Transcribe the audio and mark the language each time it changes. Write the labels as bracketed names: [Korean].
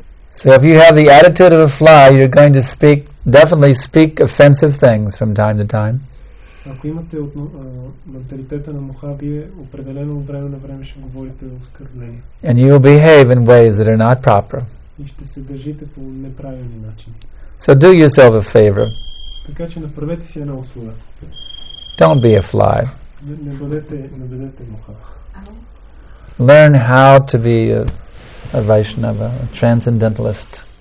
[English] So if you have the attitude of a fly, you're going to definitely speak offensive things from time to time. [Bulgarian] Ако имате менталитета на муха, вие определено време на време ще говорите оскърбление. [English] And you will behave in ways that are not proper. [Bulgarian] И ще се държите по неправилни начини. [English] So do yourself a favor. [Bulgarian] Така че направете си една услуга. [English] Don't be a fly. [Bulgarian] Не бъдете муха. [English] Learn how to be a Vaishnava, a transcendentalist.